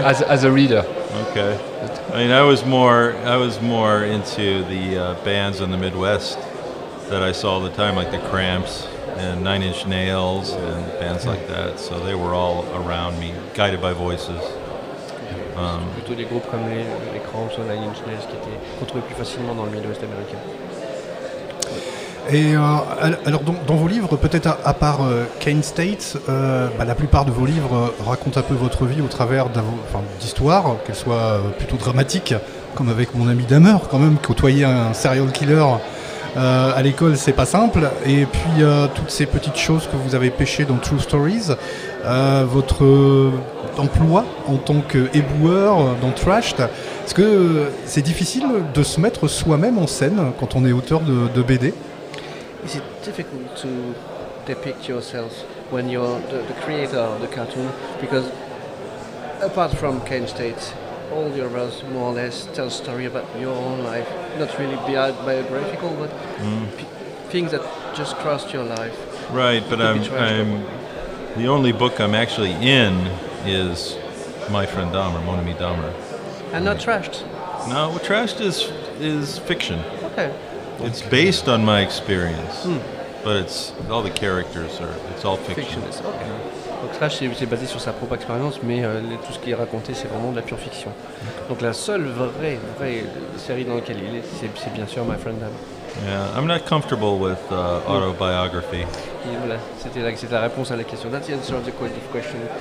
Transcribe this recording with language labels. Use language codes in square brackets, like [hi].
[en] As a reader. Okay. I mean, I was more into the bands in the Midwest that I saw all the time, like the Cramps and Nine Inch Nails and bands like that. So they were all around me, guided by voices. [fr] Plutôt des groupes comme les Cramps ou Nine Inch Nails qui étaient retrouvés plus facilement dans le Midwest américain. Et alors dans vos livres, peut-être à part Kane State, la plupart de vos livres racontent un peu votre vie au travers d'histoires, qu'elles soient plutôt dramatiques, comme avec mon ami Damer quand même, côtoyer un serial killer à l'école, c'est pas simple. Et puis toutes ces petites choses que vous avez pêchées dans True Stories, votre emploi en tant qu'éboueur dans Thrashed, est-ce que c'est difficile de se mettre soi-même en scène quand on est auteur de BD? [en] Is it difficult to depict yourself when you're the creator of the cartoon? Because apart from Kane State, all your brothers more or less tell a story about your own life. Not really biographical, but things that just crossed your life. Right, but I'm the only book I'm actually in is my friend Dahmer, Mon Ami Dahmer. And not Thrashed? No, Thrashed is fiction. Okay. It's based on my experience, but it's all the characters are. It's all fiction. [fr] Donc là, c'est basé sur sa propre expérience, mais tout ce qui est raconté, c'est vraiment de la pure fiction. Donc la seule vraie série dans laquelle il est, c'est bien sûr My Friend Dahmer. [en] Yeah, I'm not comfortable with autobiography. [fr] Voilà, c'était la réponse à la question. [en] That's the answer of the question.